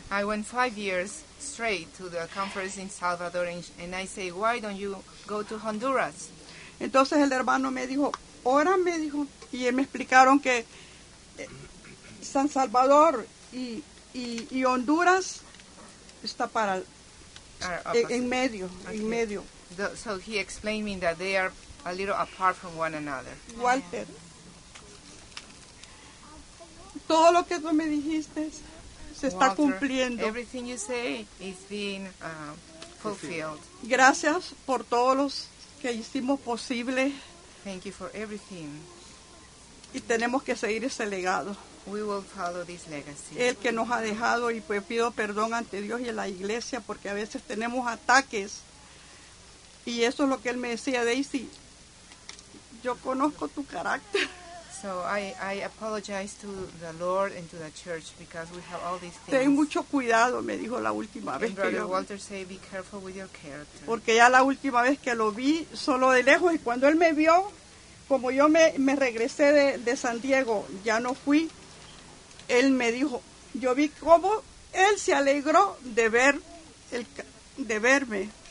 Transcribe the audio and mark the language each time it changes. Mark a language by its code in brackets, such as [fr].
[en] I went 5 years straight to the conference in Salvador and I say, why don't you go to Honduras? [es] Entonces el hermano me dijo, ora, me dijo, y él me explicaron que San Salvador y Honduras está para en medio. [en] So he explained me that they are a little apart from one another. [es] Walter, todo lo que tú me dijiste se está cumpliendo. [en] Everything you say is being fulfilled. [es] Gracias por todos los que hicimos posible. [en] Thank you for everything. [es] Y tenemos que seguir ese legado. [en] We will follow this legacy. [es] El que nos ha dejado, y pues pido perdón ante Dios y a la iglesia, porque a veces tenemos ataques. Y eso es lo que él me decía, Daisy. Yo conozco tu carácter. [en] So I apologize to the Lord and to the church because we have all these things. [es] Ten mucho cuidado, me dijo la última vez. [en] And Brother Walter said, be careful with your character. [es] Porque ya la última vez que lo vi, solo de lejos, y cuando él me vio, como yo me regresé de San Diego, ya no fui. Él me dijo, yo vi cómo él se alegró de verme.